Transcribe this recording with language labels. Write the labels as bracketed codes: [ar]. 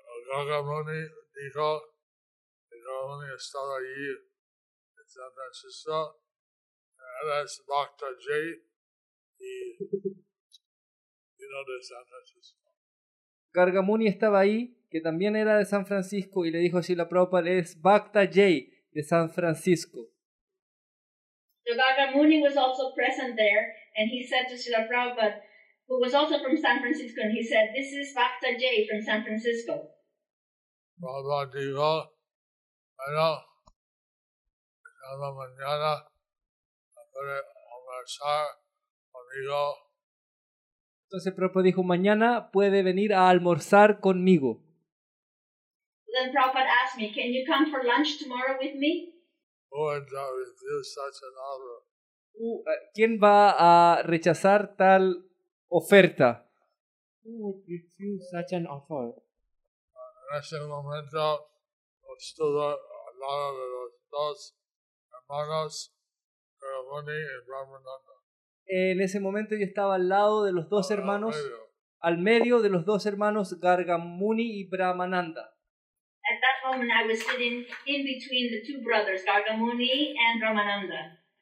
[es] Gaga Muni dijo, Gaga Muni estaba allí en San Francisco, él es Bhakta J, y vino de San Francisco. Gaga Muni estaba ahí, que también era de San Francisco, y le dijo a Srila Prabhupada, es Bhakta J de San Francisco. [en] So Gaga Muni was also present there, and he said to Srila Prabhupada, who was also from San Francisco, and he said, this is Bhakta J from San Francisco. [es] Prabhupada dijo, bueno, llamo mañana, puede conversar conmigo. Entonces Prabhupada dijo, mañana puede venir a almorzar conmigo. [en] Then Prabhupada asked me, can you come for lunch tomorrow with me? Who would refuse such an offer? [es] ¿Quién va a rechazar tal oferta? [en] Who would refuse such an offer? [es] En ese momento, estuve al lado de los dos hermanos, Karamuni y Brahmananda. En ese momento yo estaba al lado de los dos hermanos, al medio de los dos hermanos Gargamuni y Brahmananda. [en] At that moment I was sitting in between the two brothers, Gargamuni and Brahmananda.